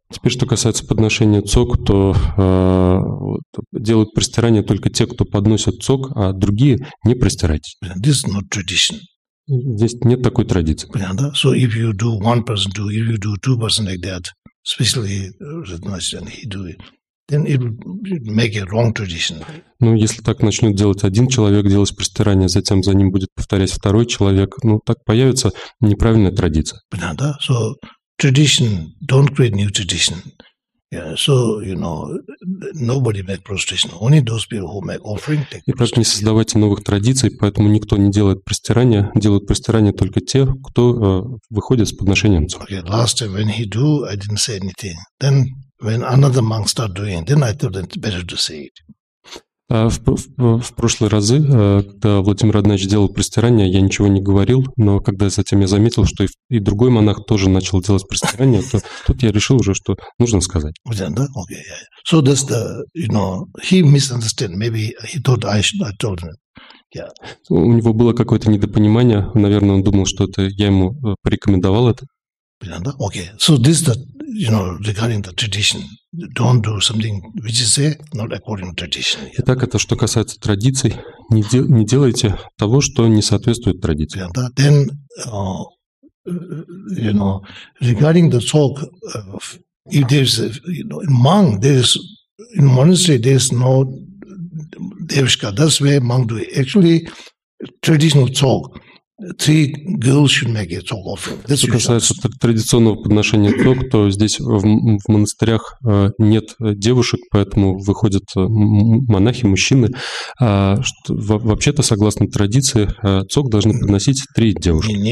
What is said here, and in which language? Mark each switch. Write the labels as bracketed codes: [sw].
[ru] Теперь, что касается подношения цок, то делают простирание только те, кто подносит цок, а другие не простирать. [en] This is not tradition. [ru] Здесь нет такой традиции. Понятно? [en] So if you do one person, if you do two person like that, especially, he do it. then it would make a wrong tradition. [ru] Ну, если так начнет делать один человек, делать простирание, затем за ним будет повторять второй человек, ну, так появится неправильная традиция. Да, [en] so tradition, don't create new tradition. Yeah, so, you know, nobody make prostration. Only those people who make offering take prostration. [ru] Итак, не создавайте новых традиций, поэтому никто не делает простирания. Делают простирания только те, кто выходит с подношением. [en] Okay, last time when he do, I didn't say anything. Then when another monk start doing, then I thought it's better to say it. [ru] В прошлые разы, когда Владимир Однач делал простирание, я ничего не говорил, но когда затем я заметил, что и другой монах тоже начал делать простирание, то тут я решил уже, что нужно сказать. Да, [en] okay, yeah. So that's the, you know, he misunderstood. Maybe he thought I should, I told him. Yeah. [ru] У него было какое-то недопонимание, наверное, он думал, что это я ему порекомендовал это. Да, [en] okay. So this is the, you know, regarding the tradition. Don't do something which is there, not according to tradition. [ru] Итак, это что касается традиций, не делайте того, что не соответствует традиции. [en] Yeah, that, then, you know, regarding the talk, if there's, you know, in monk, there's, in monastery, there's no devishka, that's where monk do it. Actually, traditional talk. Three girls should make a talk offering. [ru] Что касается традиционного подношения ток, то здесь в монастырях нет девушек, поэтому выходят монахи, мужчины. Вообще-то, согласно традиции, цок должны подносить три девушки.